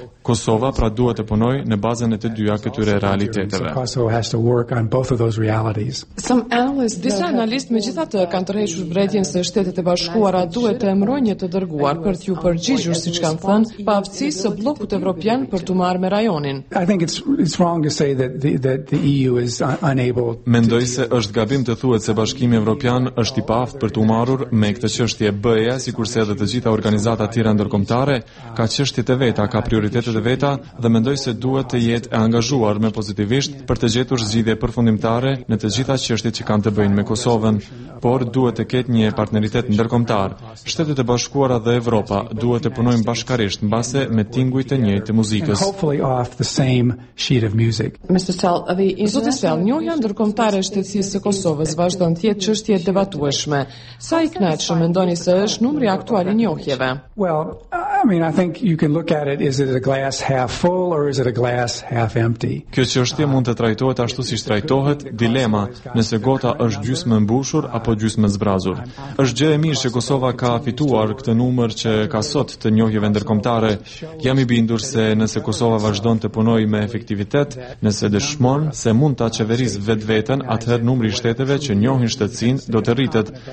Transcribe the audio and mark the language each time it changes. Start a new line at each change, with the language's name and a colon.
Albanian: Kosova pra duhet të punojë në bazën e të dyja këtyre realiteteve. Disa analistë megjithatë kanë tërhequr mbretjen se Shtetet e Bashkuara duhet të emëroj një të dërguar për t'ju përgjigjur, siç kanë thënë, pa aftësisë së bllokut evropian për t'u marrë me rajonin.
English: I think it's wrong to say that the EU is unable.
Albanian: Mendoj se është gabim të thuhet se Bashkimi Evropian është i paaft për t'u marrur me këtë çështje. BE-ja, sikurse edhe të gjitha organizatat tjera ndërkombëtare, ka çështjet e veta, ka prioritetet e veta dhe mendoj se duhet të jetë e angazhuar me pozitivisht për të gjetur zgjidhje përfundimtare në të gjitha çështjet që kanë të bëjnë me Kosovën, por duhet të ketë një partneritet ndërkombëtar. Shtetet e Bashkuara dhe Evropa duhet të punojnë bashkarisht mbase me tingujt të njëjtë muzikës. Zoti Sell, njohja ndërkombëtare e shtetësisë së Kosovës vazhdon të jetë çështje debatueshme. Sa i kënaqshëm mendoni se është numri aktual i njohjeve?
English: Well, I mean, I think you can look at it, is it a glass half full or is it a glass half empty?
Albanian: Kjo çështje mund të trajtohet ashtu siç trajtohet, dilema, nëse gota është gjysmë mbushur apo gjysmë zbrazur. Është gjë e mirë që Kosova ka fituar këtë numër që ka sot të njohjeve ndërkombëtare. Jam i bindur se nëse Kosova vazhdon të punojë me efektivitet, nëse dëshmon se mund ta çeverisë vetveten, atëherë numri i shteteve që njohin shtetësinë do të rritet.